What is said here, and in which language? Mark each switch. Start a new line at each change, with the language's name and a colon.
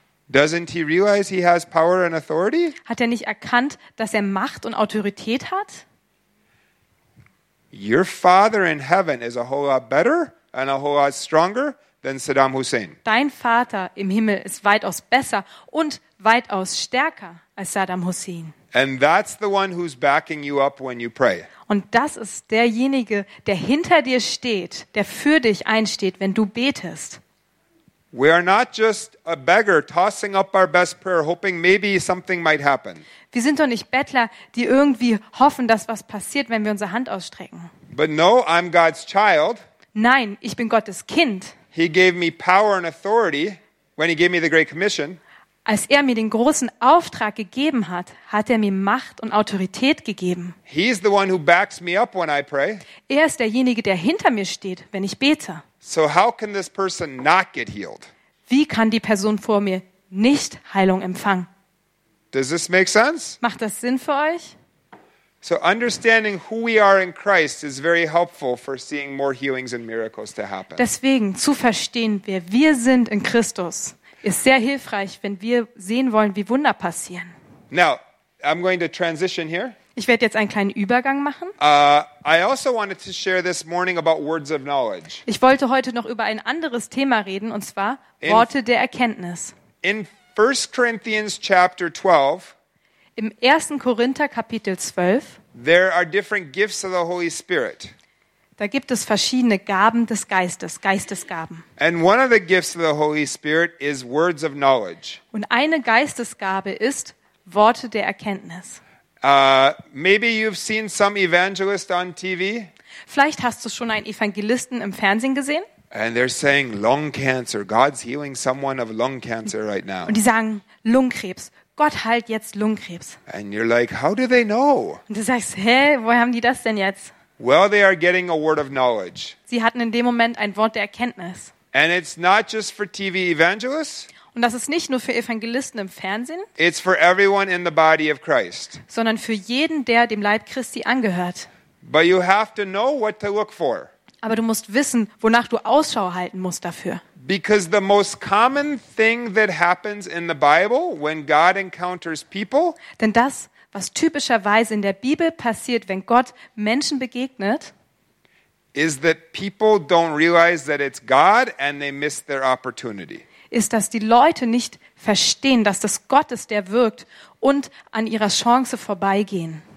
English: Doesn't he realize he has power and authority?
German: Hat er nicht erkannt, dass er Macht und Autorität hat?
English: Your father in heaven is a whole lot better and a whole lot stronger than Saddam Hussein.
German: Dein Vater im Himmel ist weitaus besser und weitaus stärker als Saddam Hussein.
English: And that's the one who's backing you up when you pray.
German: Und das ist derjenige, der hinter dir steht, der für dich einsteht, wenn du betest.
English: We are not just a beggar tossing up our best prayer hoping maybe something might happen.
German: Wir sind doch nicht Bettler, die irgendwie hoffen, dass was passiert, wenn wir unsere Hand ausstrecken.
English: But no, I'm God's child.
German: Nein, ich bin Gottes Kind.
English: He gave me power and authority when he gave me the Great Commission.
German: Als er mir den großen Auftrag gegeben hat, hat er mir Macht und Autorität gegeben.
English: He's the one who backs me up when I pray.
German: Er ist derjenige, der hinter mir steht, wenn ich bete.
English: So how can this person not get healed?
German: Wie kann die Person vor mir nicht Heilung empfangen?
English: Does this make sense?
German: Macht das Sinn für euch?
English: So understanding who we are in Christ is very helpful for seeing more healings and miracles to happen.
German: Deswegen zu verstehen, wer wir sind in Christus, ist sehr hilfreich, wenn wir sehen wollen, wie Wunder passieren.
English: Now, I'm going to transition here.
German: Ich werde jetzt einen kleinen Übergang machen.
English: I also wanted to share this morning about words of knowledge.
German: Ich wollte heute noch über ein anderes Thema reden, und zwar Worte der Erkenntnis.
English: In 1 Corinthians chapter 12,
German: im 1. Korinther Kapitel 12,
English: there are different gifts of the Holy Spirit.
German: Da gibt es verschiedene Gaben des Geistes, Geistesgaben.
English: And one of the gifts of the Holy Spirit is words of knowledge.
German: Und eine Geistesgabe ist Worte der Erkenntnis.
English: Maybe you've seen some evangelist on TV.
German: Vielleicht hast du schon einen Evangelisten im Fernsehen gesehen.
English: And they're saying lung cancer, God's healing someone of lung cancer right now.
German: Und die sagen Lungenkrebs, Gott heilt jetzt Lungenkrebs.
English: And you're like, how do they know?
German: Und du sagst, hä, woher haben die das denn jetzt?
English: Well, they are getting a word of knowledge.
German: Sie hatten in dem Moment ein Wort der Erkenntnis.
English: And it's not just for TV evangelists.
German: Und das ist nicht nur für Evangelisten im Fernsehen.
English: It's for everyone in the body of Christ.
German: Sondern für jeden, der dem Leib Christi angehört.
English: But you have to know what to look for.
German: Aber du musst wissen, wonach du Ausschau halten musst dafür.
English: Because the most common thing that happens in the Bible when God encounters people.
German: Denn das, was typischerweise in der Bibel passiert, wenn Gott Menschen begegnet,
English: is that people don't realize that it's God and they miss their opportunity.
German: Ist, dass die Leute nicht verstehen, dass das Gott ist, der wirkt, und an ihrer Chance vorbeigehen.